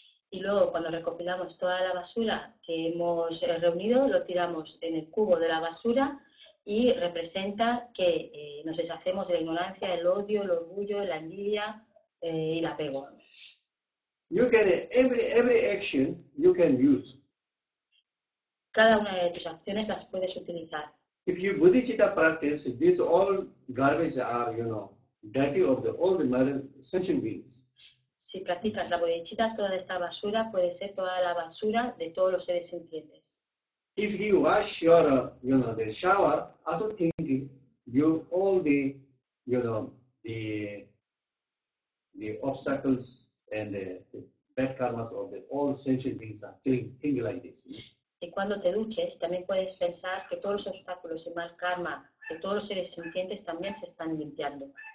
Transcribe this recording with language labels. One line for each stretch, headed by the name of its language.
Spanish: Y luego, cuando recopilamos toda la basura que hemos reunido, lo tiramos en el cubo de la basura y representa que nos deshacemos de la ignorancia, el odio, el orgullo, la envidia y el apego.
English: You can, every action you can use.
Spanish: Cada una de tus acciones las puedes utilizar.
English: If you bodhicitta practice, these all garbage are, you know, dirty of the old modern sentient beings.
Spanish: Si practicas la bodhicitta, toda esta basura puede ser toda la basura de todos los seres sintientes.
English: If you wash your, you know, the shower, after thinking, you all the, you know, the obstacles and the bad karmas of the all sentient beings are clean, things like this.
Spanish: Y cuando te duches, también puedes pensar que todos los obstáculos y mal karma de todos los seres sintientes también se están limpiando.